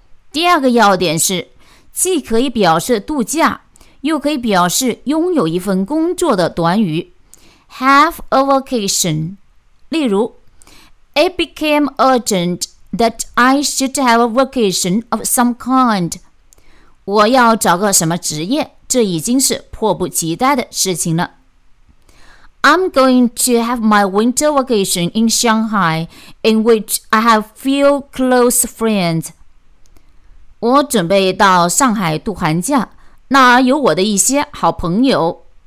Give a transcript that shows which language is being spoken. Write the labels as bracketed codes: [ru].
[zh] 第二个要点是既可以表示度假又可以表示拥有一份工作的短语 Have a vacation，例如 [en] It became urgent that I should have a vacation of some kind. [zh] 我要找个什么职业，这已经是迫不及待的事情了。 [en] I'm going to have my winter vacation in Shanghai, in which I have few close friends. [zh] 我准备到上海度寒假，那有我的一些好朋友。